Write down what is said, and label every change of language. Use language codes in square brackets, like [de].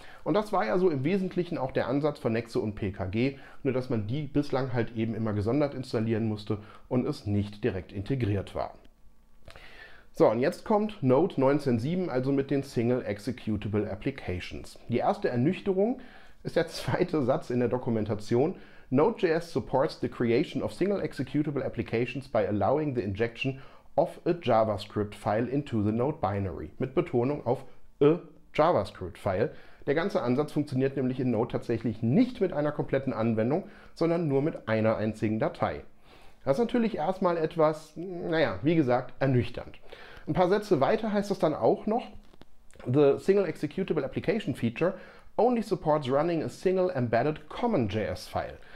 [de] Und das war ja so im Wesentlichen auch der Ansatz von Nexe und PKG, nur dass man die bislang halt eben immer gesondert installieren musste und es nicht direkt integriert war. So, und jetzt kommt Node 19.7, also mit den Single Executable Applications. Die erste Ernüchterung ist der zweite Satz in der Dokumentation. [en] Node.js supports the creation of Single Executable Applications by allowing the injection of a JavaScript file into the Node Binary. [de] Mit Betonung auf [en] a JavaScript file. [de] Der ganze Ansatz funktioniert nämlich in Node tatsächlich nicht mit einer kompletten Anwendung, sondern nur mit einer einzigen Datei. Das ist natürlich erstmal etwas, naja, wie gesagt, ernüchternd. Ein paar Sätze weiter heißt es dann auch noch: [en] The Single Executable Application Feature only supports running a single embedded common JS file.